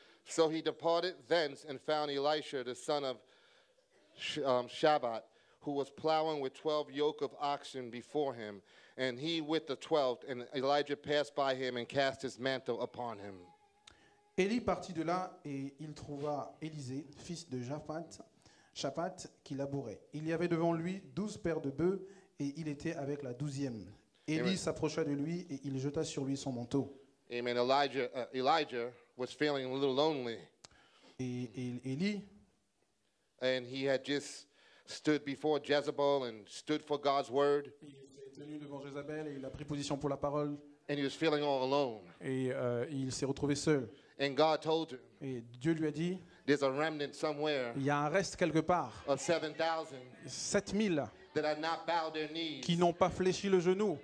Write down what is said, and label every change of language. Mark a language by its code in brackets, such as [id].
[en] So he departed thence and found Elisha, the son of Shabbat, who was plowing with 12 yoke of oxen before him, and he with the 12th, and Elijah passed by him and cast his mantle upon him. [fr] Élie partit de là, et il trouva Élisée, fils de Shaphat, qui labourait. Il y avait devant lui 12 paires de bœufs, et il était avec la 12e. Élie s'approcha de lui, et il jeta sur lui son manteau. [en] Amen. Elijah was feeling a little lonely. And he had just stood before Jezebel and stood for God's word. [fr] Devant Jézabel et il a pris position pour la parole. [en] And he was feeling all alone. [fr] Et il s'est retrouvé seul. [en] And God told him, [fr] et Dieu lui a dit, [en] There's a remnant somewhere. [fr] Il y a un reste quelque part. [en] Of 7,000. [fr] 7,000. [en] That have not bowed their knees. [fr] Qui n'ont pas fléchi le genou.